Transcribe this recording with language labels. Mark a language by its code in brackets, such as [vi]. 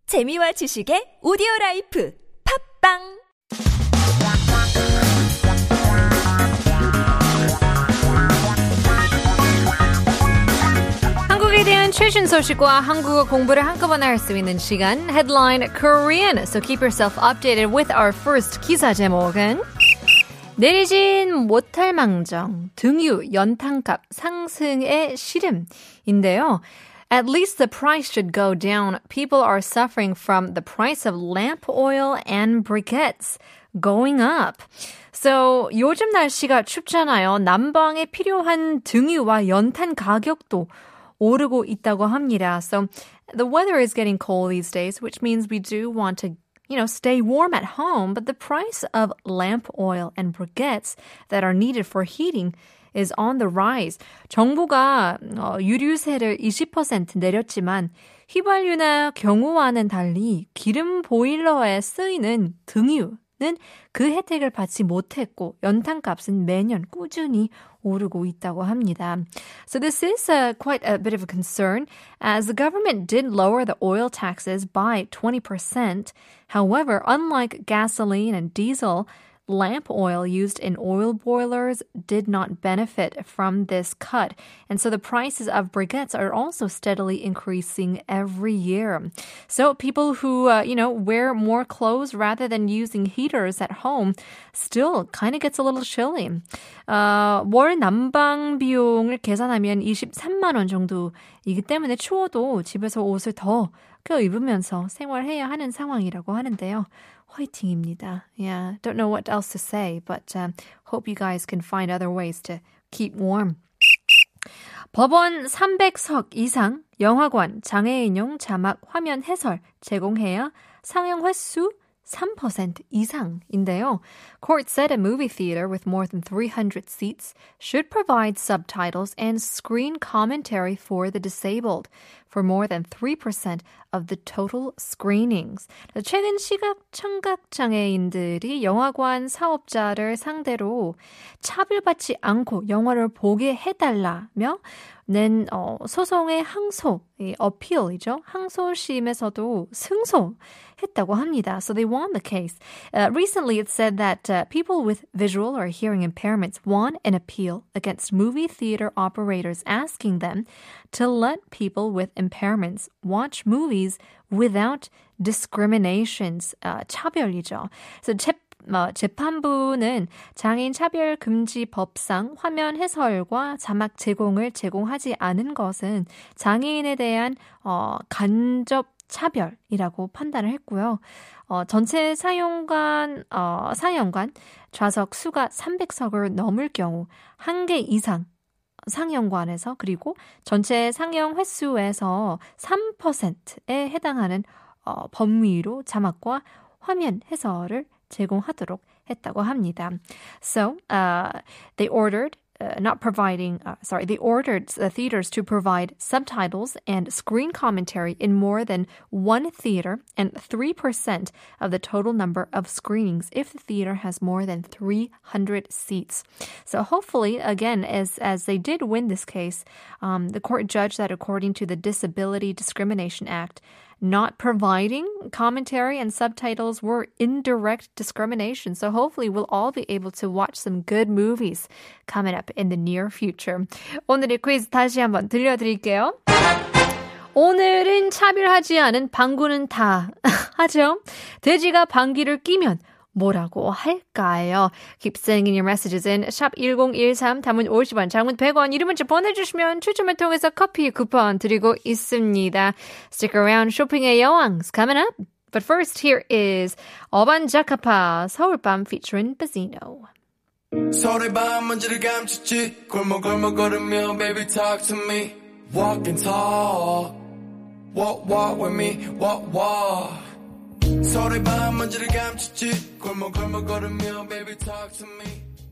[ko] 재미와 지식의 오디오라이프 팝빵 한국에 대한 최신 소식과 한국어 공부를 한꺼번에 할 수 있는 시간 [en] Headline Korean So keep yourself updated with our first [ko] 기사 제목은 내리진 못할 망정 등유 연탄값 상승의 시름인데요 [en] At least the price should go down. People are suffering from the price of lamp oil and briquettes going up. [ko] So, 요즘 날씨가 춥잖아요. 난방에 필요한 등유와 연탄 가격도 오르고 있다고 합니다. [en] So, the weather is getting cold these days, which means we do want to, you know, stay warm at home. But the price of lamp oil and briquettes that are needed for heating is on the rise. [ko] 정부가 유류세를 20% 내렸지만 휘발유나 경유와는 달리 기름 보일러에 쓰이는 등유는 그 혜택을 받지 못했고 연탄값은 매년 꾸준히 오르고 있다고 합니다. [en] So this is quite a bit of a concern as the government did lower the oil taxes by 20%. However, unlike gasoline and diesel, lamp oil used in oil boilers did not benefit from this cut. And so the prices of briquettes are also steadily increasing every year. So people who, you know, wear more clothes rather than using heaters at home still kind of gets a little chilly. [ko] 월 난방 비용을 계산하면 23만 원 정도이기 때문에 추워도 집에서 옷을 더 껴 입으면서 생활해야 하는 상황이라고 하는데요. 화이팅입니다. [en] Yeah, don't know what else to say, but hope you guys can find other ways to keep warm. [ko] 법원 300석 이상 영화관 장애인용 자막 화면 해설 제공해야 상영 횟수 3% 이상인데요. [en] Court said a movie theater with more than 300 seats should provide subtitles and screen commentary for the disabled for more than 3% of the total screenings. [ko] 최근 시각청각장애인들이 영화관 사업자를 상대로 차별받지 않고 영화를 보게 해달라며 낸 소송의 항소, 이 어필이죠. 항소심에서도 승소했다고 합니다. [en] So they won the case. Recently, it said that people with visual or hearing impairments won an appeal against movie theater operators asking them to let people with impairments watch movies without discriminations. [ko] 차별이죠. So 재판부는 장애인 차별 금지 법상 화면 해설과 자막 제공을 제공하지 않은 것은 장애인에 대한 간접 차별이라고 판단을 했고요. 전체 사용관 사용관 좌석 수가 300석을 넘을 경우 한 개 이상 상영관에서 그리고 전체 상영 횟수에서 3%에 해당하는 범위로 자막과 화면 해설을 제공하도록 했다고 합니다. [en] So, they ordered they ordered the theaters to provide subtitles and screen commentary in more than one theater and 3% of the total number of screenings if the theater has more than 300 seats. So hopefully, again, as they did win this case, the court judged that according to the Disability Discrimination Act, not providing commentary and subtitles were indirect discrimination. So hopefully we'll all be able to watch some good movies coming up in the near future. [ko] 오늘의 퀴즈 다시 한번 들려드릴게요. 오늘은 차별하지 않은 방구는 다 하죠. 돼지가 방귀를 끼면 뭐라고 할까요? [en] Keep sending your messages in. [ko] 샵 1013, 담은 50원, 장문 100원, 이름 문자 보내주시면 추첨을 통해서 커피 쿠폰 드리고 있습니다. [en] Stick around, 쇼핑의 여왕's coming up. But first, here is 어반자카파, 서울밤 featuring Bazino. [ko] 서울의 밤 먼지를 감췄지 골목골목 걸으며 [en] baby talk to me Walk and talk Walk with me, walk [ko] 서울의 밤 먼지를 감췄지 골목골목 걸으며 [en] baby talk to me